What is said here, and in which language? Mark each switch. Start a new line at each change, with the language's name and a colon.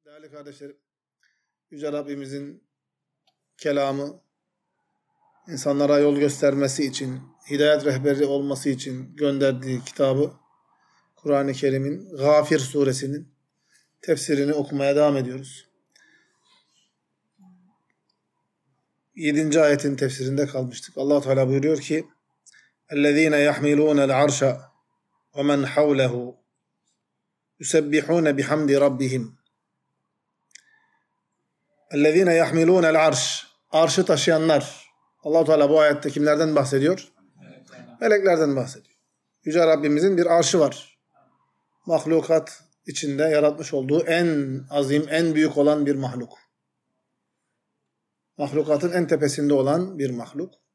Turkish: Değerli kardeşlerim, Yüce Rabbimizin kelamı, insanlara yol göstermesi için, hidayet rehberi olması için gönderdiği kitabı, Kur'an-ı Kerim'in Gafir suresinin tefsirini okumaya devam ediyoruz. 7. ayetin tefsirinde kalmıştık. Allah-u Teala buyuruyor ki,
Arabic: اَلَّذ۪ينَ يَحْمِلُونَ الْعَرْشَ وَمَنْ حَوْلَهُ يُسَبِّحُونَ بِحَمْدِ رَبِّهِمْ اَلَّذ۪ينَ يَحْمِلُونَ الْعَرْشِ
Turkish: Arşı taşıyanlar. Allah-u Teala bu ayette kimlerden bahsediyor? Meleklerden bahsediyor. Yüce Rabbimizin bir arşı var. Mahlukat içinde yaratmış olduğu en azim, en büyük olan bir mahluk. Mahlukatın en tepesinde olan bir mahluk.